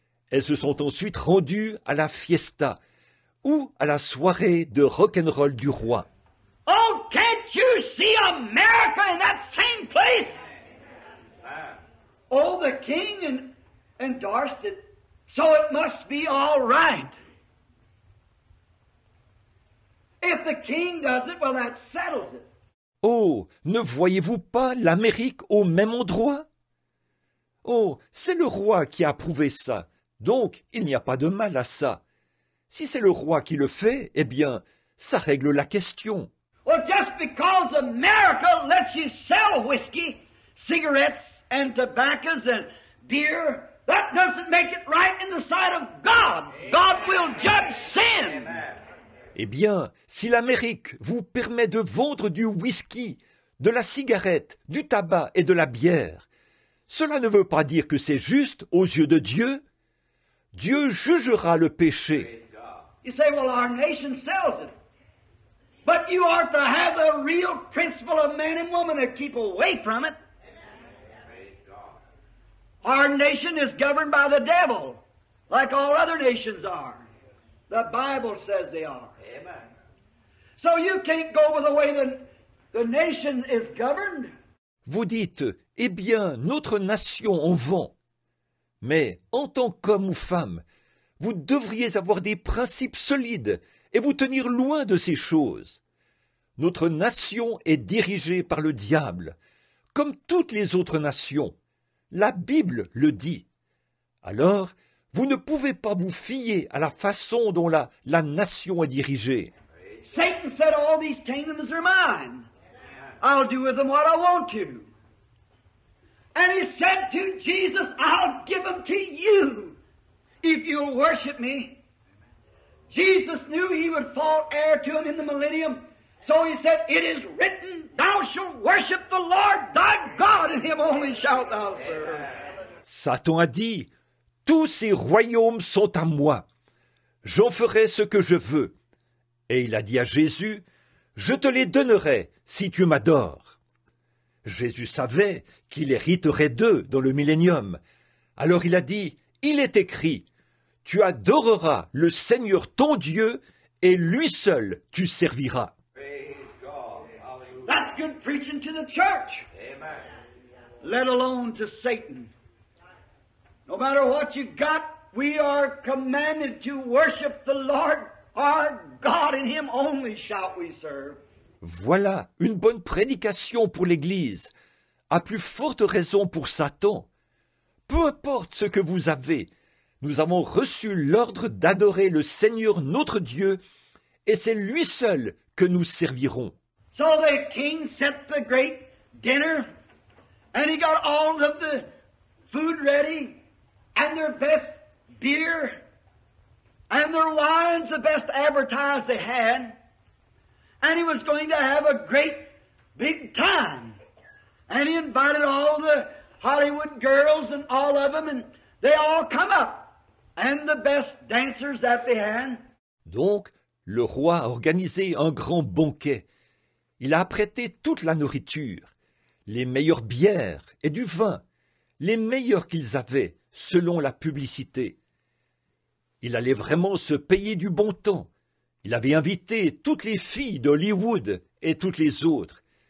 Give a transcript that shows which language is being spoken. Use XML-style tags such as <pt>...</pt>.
<fr>Elles se sont ensuite rendues à la fiesta, ou à la soirée de rock'n'roll du roi.</fr> <en>Oh, can't you see America in that same place? Oh, the king endorsed it, so it must be all right. If the king does it, well, that settles it.</en> <fr>Oh, ne voyez-vous pas l'Amérique au même endroit? Oh, c'est le roi qui a approuvé ça, donc il n'y a pas de mal à ça. Si c'est le roi qui le fait, eh bien, ça règle la question.</fr> <en>Well, just because America lets you sell whiskey, cigarettes, and tobaccos and beer, that doesn't make it right in the sight of God. God will judge sin.</en> <fr>Eh bien, si l'Amérique vous permet de vendre du whisky, de la cigarette, du tabac et de la bière, cela ne veut pas dire que c'est juste aux yeux de Dieu. Dieu jugera le péché.</fr> <en>You say, well, our nation sells it. But you are to have the real principle of man and woman to keep away from it. Our nation is governed by the devil, like all other nations are. The Bible says they are. Amen. So you can't go with the way the nation is governed.</en> <fr>Vous dites, eh bien, notre nation en vend. Mais en tant qu'homme ou femme, vous devriez avoir des principes solides et vous tenir loin de ces choses. Notre nation est dirigée par le diable, comme toutes les autres nations. La Bible le dit. Alors, vous ne pouvez pas vous fier à la façon dont la nation est dirigée.</fr> <en>Satan said all these kingdoms are mine. I'll do with them what I want to. And he said to Jesus, I'll give them to you if you'll worship me. Jesus knew he would fall heir to him in the millennium. So he said, it is written, thou shalt worship the Lord thy God, and him only shalt thou serve.</en> <fr>Satan a dit, tous ces royaumes sont à moi. J'en ferai ce que je veux. Et il a dit à Jésus, je te les donnerai si tu m'adores. Jésus savait qu'il hériterait d'eux dans le millénium. Alors il a dit, il est écrit, tu adoreras le Seigneur ton Dieu et lui seul tu serviras.</fr> <en>That's good preaching to the church. Amen. Let alone to Satan. No matter what you've got, we are commanded to worship the Lord our God, and him only shall we serve.</en> <fr>Voilà une bonne prédication pour l'Église, à plus forte raison pour Satan. Peu importe ce que vous avez, nous avons reçu l'ordre d'adorer le Seigneur notre Dieu, et c'est lui seul que nous servirons.</fr> <en>So the king set the great dinner, and he got all of the food ready, and their best beer, and their wines, the best advertised they had, and he was going to have a great big time. And he invited all the Hollywood girls and all of them, and they all come up, and the best dancers that they had.</en> <fr>Donc, le roi a organisé un grand banquet. Il a apprêté toute la nourriture, les meilleures bières et du vin, les meilleurs qu'ils avaient, selon la publicité. Il allait vraiment se payer du bon temps. Il avait invité toutes les filles d'Hollywood et toutes les autres.</fr>